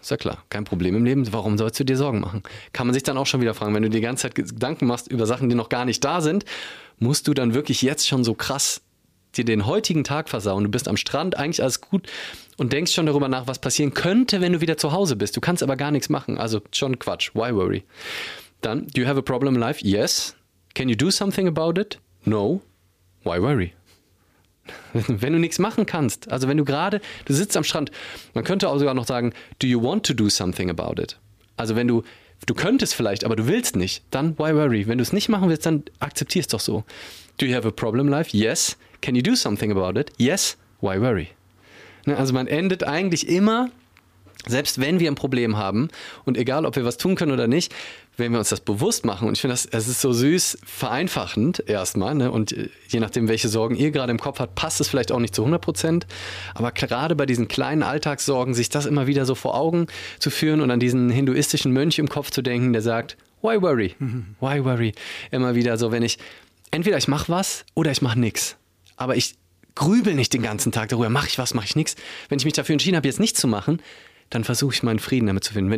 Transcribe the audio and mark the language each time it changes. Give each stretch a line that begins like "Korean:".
German: Ist ja klar, kein Problem im Leben, warum sollst du dir Sorgen machen? Kann man sich dann auch schon wieder fragen, wenn du die ganze Zeit Gedanken machst über Sachen, die noch gar nicht da sind, musst du dann wirklich jetzt schon so krass dir den heutigen Tag versauen? Du bist am Strand, eigentlich alles gut und denkst schon darüber nach, was passieren könnte, wenn du wieder zu Hause bist. Du kannst aber gar nichts machen, also schon Quatsch,
English: why worry? Dann, do you have a problem in life? Yes. Can you do something about it? No. Why worry?
German: Wenn du nichts machen kannst, also wenn du gerade, du sitzt am Strand, man könnte auch sogar noch sagen,
English: do you want to do something about it?
German: Also wenn du könntest vielleicht, aber du willst nicht, dann
English: why worry?
German: Wenn du es nicht machen willst, dann akzeptier es doch so.
English: Do you have a problem in life? Yes. Can you do something about it? Yes. Why worry?
German: Ne, also man endet eigentlich immer, selbst wenn wir ein Problem haben und egal, ob wir was tun können oder nicht, wenn wir uns das bewusst machen, und ich finde das, es ist so süß, vereinfachend erstmal, ne? Und je nachdem, welche Sorgen ihr gerade im Kopf habt, passt es vielleicht auch nicht zu 100%, aber gerade bei diesen kleinen Alltagssorgen, sich das immer wieder so vor Augen zu führen und an diesen hinduistischen Mönch im Kopf zu denken, der sagt,
English: why worry, why worry,
German: immer wieder so, wenn ich, entweder ich mache was oder ich mache nichts, aber ich grübel nicht den ganzen Tag darüber, mache ich was, mache ich nichts, wenn ich mich dafür entschieden habe, jetzt nichts zu machen, dann versuche ich meinen Frieden damit zu finden.